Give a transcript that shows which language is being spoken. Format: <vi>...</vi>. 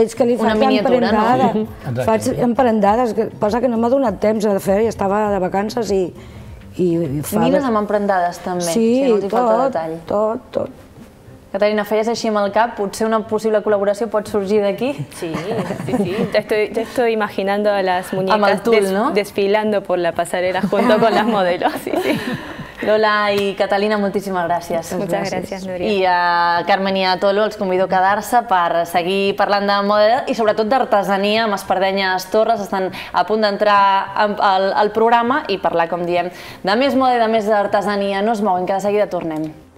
<ca>És que li faig una emprendada. No? Sí, faig emprendades, passa que no m'ha donat temps de fer, estava de vacances i fa... Nines amb emprendades també, sí, si no t'hi falta tot, detall. Sí, tot, tot. Catalina, feies així amb el cap, potser una possible col·laboració pot sorgir d'aquí?</ca> <es>Sí, sí, sí. Ya estoy imaginando a las muñecas</es> <ca>amb el tul, no?</ca> <es>Desfilando por la pasarela junto con las modelos. Sí, sí.</es> <ca>Lola i Catalina, moltíssimes gràcies. Moltes gràcies, Núria. I a Carmen i a Tolo els convido a quedar-se per seguir parlant de moda i sobretot d'artesania amb Espardenyes Torres. Estan a punt d'entrar al programa i parlar, com diem, de més moda i de més artesania. No es mouen, que de seguida tornem.</ca>